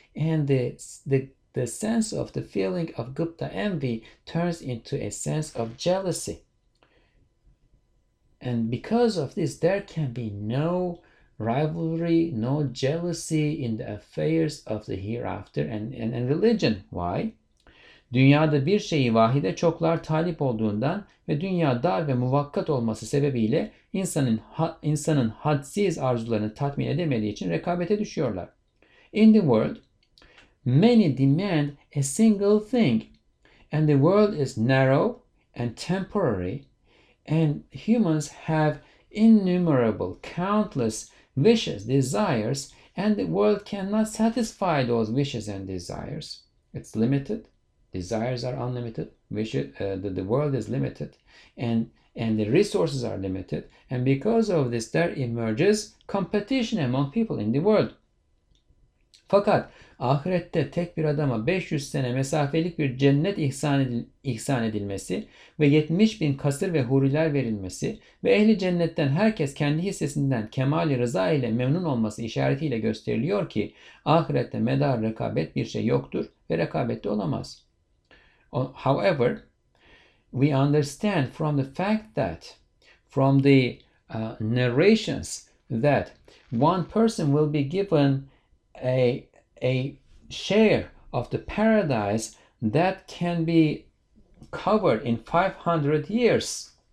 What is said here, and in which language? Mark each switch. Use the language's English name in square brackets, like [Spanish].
[English] And the sense of the feeling of gupta envy turns into a sense of jealousy. And because of this, there can be no rivalry, no jealousy in the affairs of the hereafter and religion. Why? [Turkish] Dünyada bir şeyi vahide çoklar talip olduğundan ve dünya dar ve muvakkat olması sebebiyle insanın hadsiz arzularını tatmin edemediği için rekabete düşüyorlar. [English] In the world, many demand a single thing, and the world is narrow and temporary, and humans have innumerable, countless wishes, desires, and the world cannot satisfy those wishes and desires. It's limited. Desires are unlimited. The world is limited, and the resources are limited. And because of this, there emerges competition among people in the world. [Turkish] Fakat ahirette tek bir adama 500 sene mesafelik bir cennet ihsan edilmesi ve 70 bin kasır ve huriler verilmesi ve ehli cennetten herkes kendi hissesinden kemali rıza ile memnun olması işaretiyle gösteriliyor ki ahirette medar rekabet bir şey yoktur ve rekabet de olamaz. [English] However, we understand from the fact that from the narrations that one person will be given a share of the paradise that can be covered in 500 years.